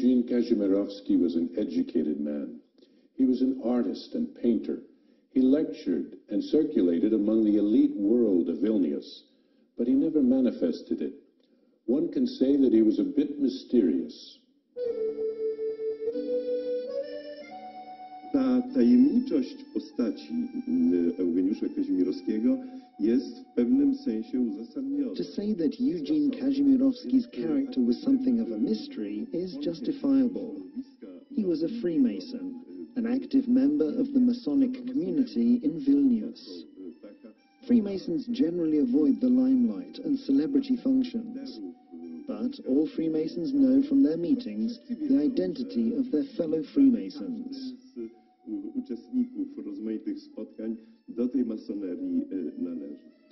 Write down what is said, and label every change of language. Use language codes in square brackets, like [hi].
[en] Kazimierowski was an educated man. He was an artist and painter. He lectured and circulated among the elite world of Vilnius, but he never manifested it. One can say that he was a bit mysterious. [pl] Ta tajemniczość postaci Eugeniusza Kazimierowskiego jest w pewnym sensie uzasadniona. [en] To say that Eugene Kazimierowski's character was something of a mystery is justifiable. He was a Freemason, an active member of the Masonic community in Vilnius. Freemasons generally avoid the limelight and celebrity functions, but all Freemasons know from their meetings the identity of their fellow Freemasons. [pl] Uczestników rozmaitych spotkań do tej masonerii należy.